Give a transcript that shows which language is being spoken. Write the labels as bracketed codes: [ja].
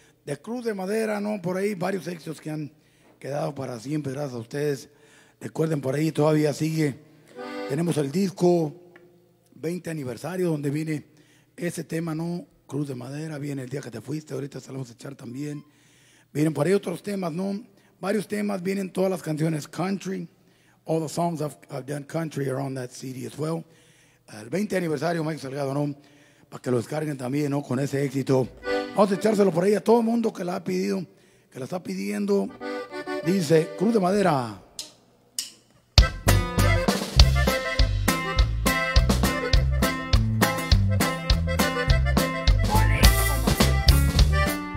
[es] De Cruz de Madera, ¿no? Por ahí varios éxitos que han quedado para siempre, gracias a ustedes. Recuerden, por ahí todavía sigue. Tenemos el disco 20 aniversario, donde viene ese tema, ¿no? Cruz de Madera, viene El Día Que Te Fuiste, ahorita se lo vamos a echar también. Vienen por ahí otros temas, ¿no? Varios temas, vienen todas las canciones country. [en] All the songs I've done country are on that CD as well. [es] El 20 aniversario, Mike Salgado, ¿no? Para que lo descarguen también, ¿no? Con ese éxito. Vamos a echárselo por ahí a todo el mundo que la ha pedido, que la está pidiendo. Dice, Cruz de Madera. Bonito,